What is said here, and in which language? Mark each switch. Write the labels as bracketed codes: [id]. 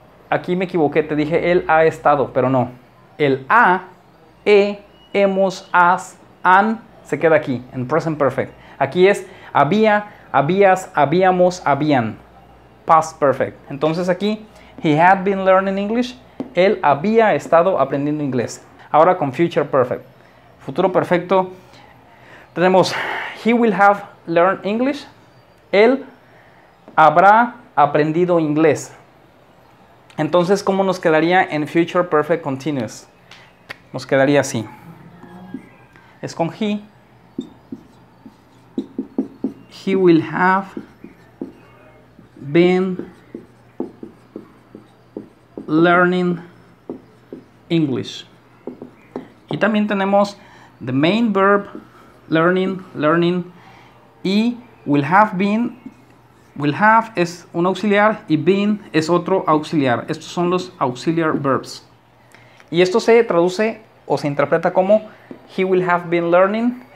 [es] Aquí me equivoqué, te dije él ha estado, pero no. El ha, he, hemos, has, han, se queda aquí, en present perfect. Aquí es había, habías, habíamos, habían. Past perfect. Entonces aquí, [en] he had been learning English. [es] él había estado aprendiendo inglés. Ahora con future perfect. Futuro perfecto. Tenemos [en] he will have learned English. [es] Él habrá aprendido inglés. Entonces, ¿cómo nos quedaría en future perfect continuous? Nos quedaría así. Es con he. [en] He will have been learning English. [es] Y también tenemos [en] the main verb learning y will have been. [es] Will have es un auxiliar y been es otro auxiliar. Estos son los auxiliar verbs. Y esto se traduce o se interpreta como [en] he will have been learning.